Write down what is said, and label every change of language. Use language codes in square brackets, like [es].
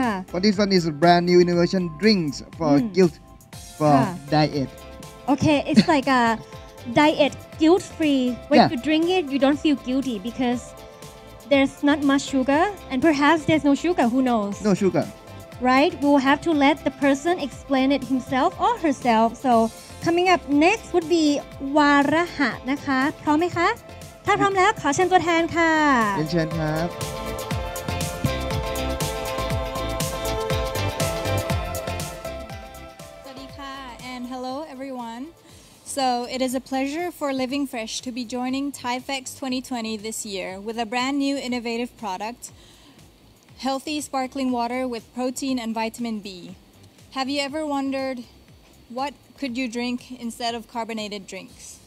[en] For this one is a brand new innovation drinks for guilt for diet. Okay, it's like a diet guilt free. When you drink it, you don't feel guilty because there's not much sugar and perhaps there's no sugar, who knows? No sugar. Right, we'll have to let the person explain it himself or herself. So, coming up next would be [th] วาระหะนะคะพร้อมไหมคะถ้าพร้อมแล้วขอเชิญตัวแทนค่ะ เชิญครับ สวัสดีค่ะ [en] and hello everyone. So it is a pleasure for Living Fresh to be joining THAIFEX 2020 this year with a brand new innovative product. Healthy sparkling water with protein and vitamin B. Have you ever wondered what could you drink instead of carbonated drinks?